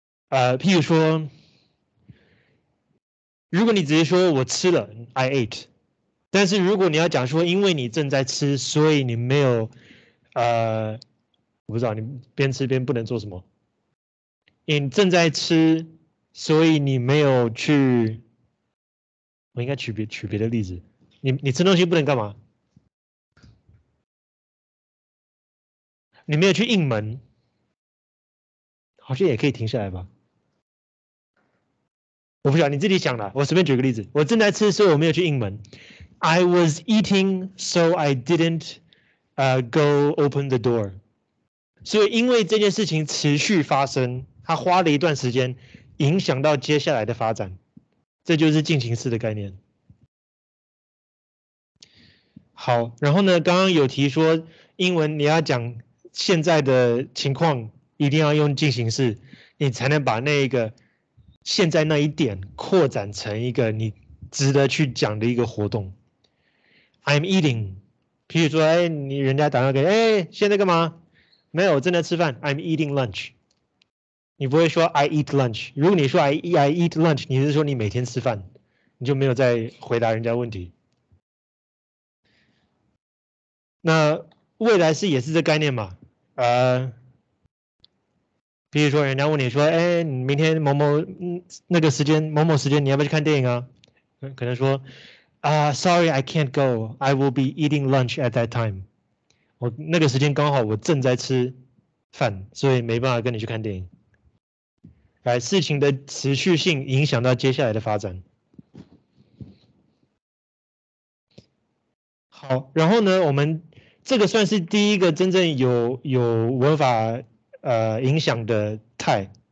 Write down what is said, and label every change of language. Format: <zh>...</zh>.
<zh>譬如说，如果你直接说我吃了 ，</zh> <en>I ate，</en> <zh>但是如果你要讲说因为你正在吃，所以你没有，我不知道你边吃边不能做什么，你正在吃，所以你没有去，我应该举别的例子，你吃东西不能干嘛？你没有去应门，好像也可以停下来吧。我不晓得，你自己想啦，我随便举个例子，我正在吃，所以我没有去应门。</zh> <en>I was eating, so I didn't, go open the door.</en> <zh>所以因为这件事情持续发生，它花了一段时间，影响到接下来的发展，这就是进行式的概念。好，然后呢，刚刚有提说英文你要讲现在的情况，一定要用进行式，你才能把那个现在那一点扩展成一个你值得去讲的一个活动。</zh> <en>I'm eating，</en> <zh>譬如说，哎，你人家打电话给，哎，现在干嘛？没有，我正在吃饭。</zh> <en>I'm eating lunch。</en> <zh>你不会说</zh> <en>I eat lunch。</en> <zh>如果你说 I eat lunch， 你是说你每天吃饭，你就没有再回答人家问题。那未来式也是这概念嘛？比如说人家问你说，哎，你明天某某那个时间某某时间你要不要去看电影啊？可能说。</zh> <en>Sorry, I can't go. I will be eating lunch at that time.</en> <zh>我那个时间刚好我正在吃饭，所以没办法跟你去看电影。来，事情的持续性影响到接下来的发展。好，然后呢，我们这个算是第一个真正有文法影响的态。</zh>